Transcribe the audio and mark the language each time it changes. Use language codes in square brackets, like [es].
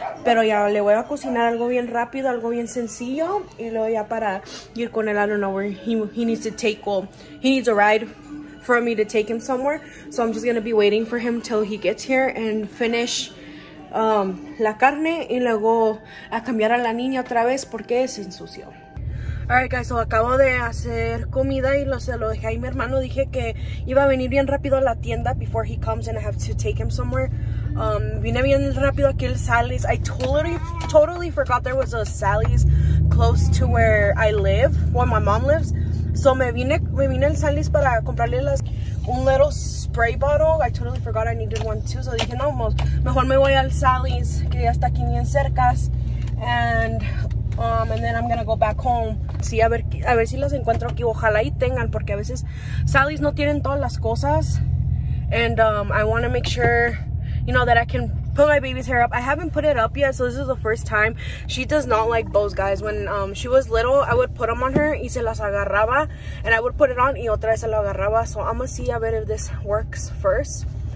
[es] Pero ya le voy a cocinar algo bien rápido, algo bien sencillo. [en] Y luego ya para ir con él, I don't know where he needs to take, well, he needs a ride for me to take him somewhere. So I'm just gonna be waiting for him till he gets here and finish la carne. [es] Y luego a cambiar a la niña otra vez porque se ensució. Alright guys, so acabo de hacer comida y lo dejé ahí mi hermano. Dije que iba a venir bien rápido a la tienda before he comes and I have to take him somewhere. Vine bien rápido aquí el Sally's. [en] I totally forgot there was a Sally's close to where I live, where my mom lives. So me vine el Sally's para comprarle las un little spray bottle. I totally forgot I needed one too. [es] So dije, no, mejor me voy al Sally's que ya está aquí bien cercas. [en] And then I'm gonna go back home. Sí, a ver si las encuentro aquí. [es] Ojalá y tengan, porque a veces Sally's no tienen todas las cosas. [en] And I want to make sure, you know, that I can put my baby's hair up. I haven't put it up yet, so this is the first time. She does not like bows, guys. When she was little, I would put them on her y se las agarraba. And I would put it on y otra vez se lo agarraba. So I'm gonna see a ver if this works first.